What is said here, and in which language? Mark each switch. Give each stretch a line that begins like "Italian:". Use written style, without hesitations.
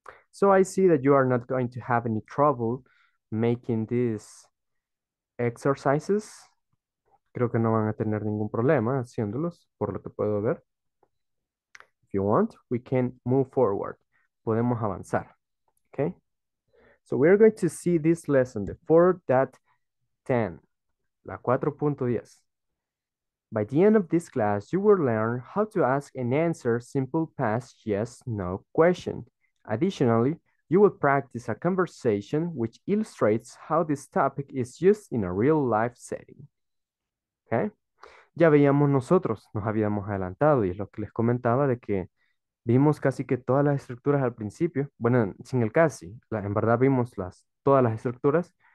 English: So I see that you are not going to have any trouble making these exercises.
Spanish: Creo que no van a tener ningún problema haciéndolos, por lo que puedo ver.
English: If you want, we can move forward.
Spanish: Podemos avanzar.
English: Okay? So we are going to see this lesson, the 4.10.
Spanish: La 4.10.
English: By the end of this class, you will learn how to ask and answer simple past yes-no question. Additionally, you will practice a conversation which illustrates how this topic is used in a real-life setting. Okay?
Spanish: Ya veíamos nosotros, nos habíamos adelantado, y es lo que les comentaba de que vimos casi que todas las estructuras al principio. Bueno, sin el casi, en verdad vimos todas las estructuras.